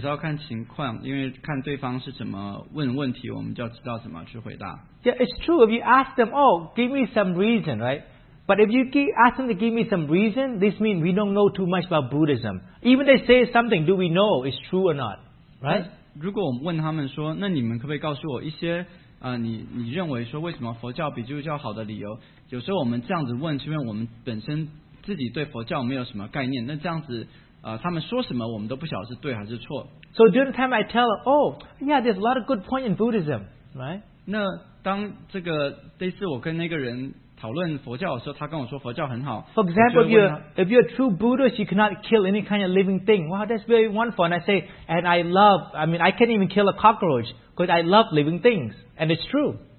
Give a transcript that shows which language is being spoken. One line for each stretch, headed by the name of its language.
Chinese: 那有时候也是要看情况，因为看对方是怎么问问题， 我们就要知道怎么去回答。
English: Yeah, it's true. If you ask them, oh, give me some reason, right? But if you ask them to give me some reason, this means we don't know too much about Buddhism. Even they say something, do we know it's true or not? Right?
Chinese: 如果我们问他们说, 那你们可不可以告诉我一些, 你认为说为什么佛教比基督教好的理由, 有时候我们这样子问, 因为我们本身自己对佛教没有什么概念, 那这样子, 他们说什么我们都不晓得是对还是错。
English: So during the time I tell, oh, yeah, there's a lot of good point in Buddhism, right?
Chinese: 那当这个这次我跟那个人讨论佛教的时候，他跟我说佛教很好。
English: For example, if you're a true Buddhist, you cannot kill any kind of living thing. Wow, that's very wonderful. And I say, and I love, I mean, I can't even kill a cockroach because I love living things, and it's true.